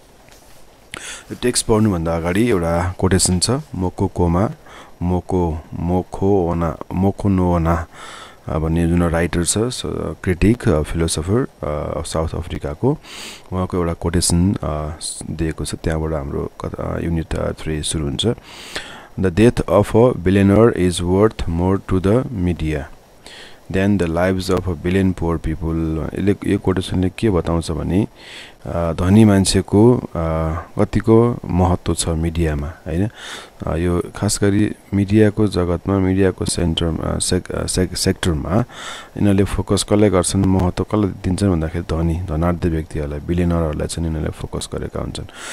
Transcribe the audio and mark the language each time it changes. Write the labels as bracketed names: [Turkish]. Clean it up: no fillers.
[Nepali] यो टेक्स्ट पढ्नुभन्दा अगाडि एउटा कोटेसन छ, मोको कोमा मोको मोखो ओना मोखो नोना भन्ने जुन राइटर छ, क्रिटिक फिलोसफर साउथ अफ्रिकाको, उहाँको एउटा कोटेसन दिएको छ, त्यहाँबाट हाम्रो युनिट 3 सुरु हुन्छ। [English] The death of a billionaire is worth more to the media than the lifes of a billion poor people. [Nepali] यसले यो कोटेसनले के बताउँछ भने, धनी मान्छेको कतिको महत्त्व छ मिडियामा, होइन? यो खास गरी मिडियाको जगतमा, मिडियाको सेन्टरमा, सेक्टरमा यिनीहरूले फोकस कसले गर्छन्, महत्त्व कसले दिन्छन् भन्दाखेरि धनी धनाढ्य व्यक्तिहरूलाई, बिलियनरहरूलाई चाहिँ यिनीहरूले फोकस गरेका हुन्छन्।